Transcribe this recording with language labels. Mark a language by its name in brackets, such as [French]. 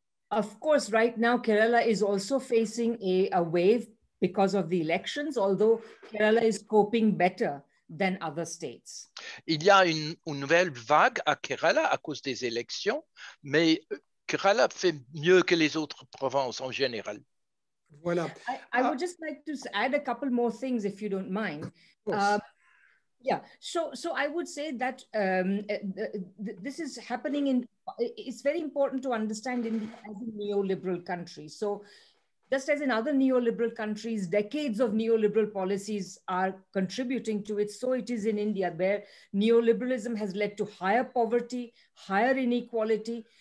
[English] Of course, right now, Kerala is also facing a wave because of the elections, although Kerala is coping better than other states. [French] Il y a une nouvelle vague à Kerala à cause des élections, mais Kerala fait mieux que les autres provinces en général. Voilà. [English] I would just like to add a couple more things, if you don't mind. Of course. Yeah, so I would say that this is happening in, it's very important to understand in the neoliberal country. So just as in other neoliberal countries, decades of neoliberal policies are contributing to it, so it is in India, where neoliberalism has led to higher poverty, higher inequality.